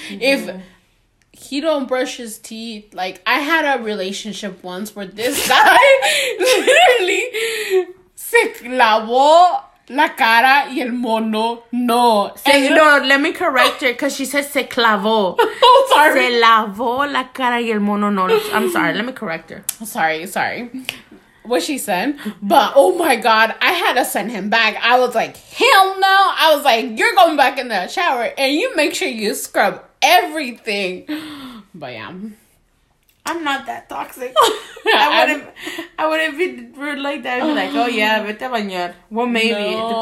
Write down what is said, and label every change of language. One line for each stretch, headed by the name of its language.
English: If he don't brush his teeth, like I had a relationship once where this guy literally
Spanish: se clavó la cara y el mono no.
English: No, let me correct her because she says
Spanish: se clavó.
English: Oh, sorry.
Spanish: Se lavó la cara y el mono no.
English: I'm sorry. Let me correct her. Sorry. What she said, but oh my God, I had to send him back. I was like, hell no. I was like, you're going back in the shower and you make sure you scrub everything. But yeah. I'm not that toxic. I wouldn't be rude like that. I'd be like, oh yeah,
Spanish: vete a bañar.
English: Well, maybe. No.